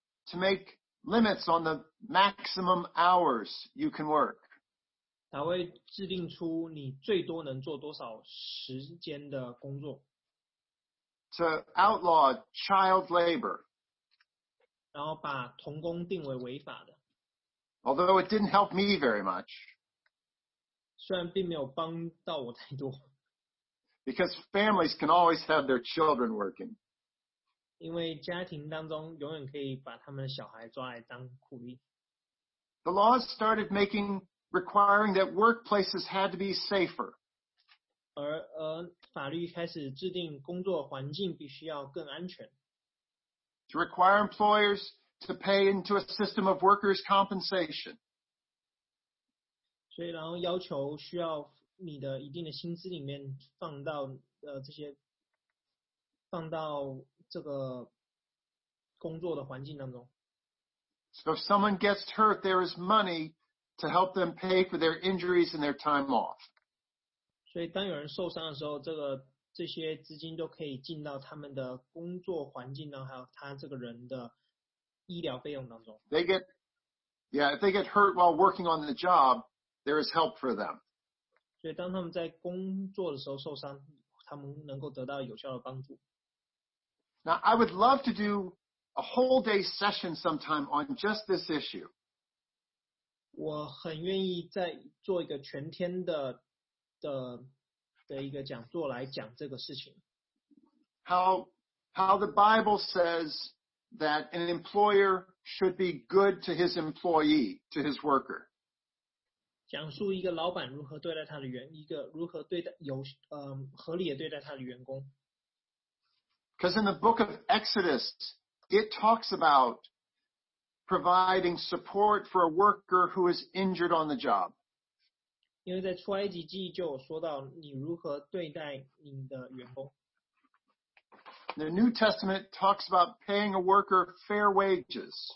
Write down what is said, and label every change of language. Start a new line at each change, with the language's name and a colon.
English: To make limits on the maximum hours you can work.
Chinese: 才会制定出你最多能做多少时间的工作。
English: to outlaw child labor.
Chinese: 然后把童工定为违法的。
English: Although it didn't help me very much.
Chinese: 虽然并没有帮到我太多。
English: Because families can always have their children working.
Chinese: 因为家庭当中永远可以把他们的小孩抓来当苦力。
English: The laws started making requiring that workplaces had to be safer.
Chinese: 而法律开始制定工作环境必须要更安全。
English: To require employers to pay into a system of workers' compensation.
Chinese: 所以然后要求需要你的一定的薪资里面放到这些放到这个工作的环境当中。
English: So if someone gets hurt, there is money to help them pay for their injuries and their time off.
Chinese: 所以当有人受伤的时候，这些资金都可以进到他们的工作环境当中，还有他这个人的医疗费用当中。
English: If they get hurt while working on the job, there is help for them.
Chinese: 所以当他们在工作的时候受伤，他们能够得到有效的帮助。
English: Now, I would love to do a whole day session sometime on just this issue.
Chinese: 我很愿意再做一个全天的一个讲座来讲这个事情。
English: How the Bible says that an employer should be good to his employee, to his worker.
Chinese: 讲述一个老板如何对待他的员，一个如何对待有合理的对待他的员工。
English: Because in the book of Exodus, it talks about providing support for a worker who is injured on the job.
Chinese: 因为在出埃及记就有说到你如何对待你的员工。
English: The New Testament talks about paying a worker fair wages.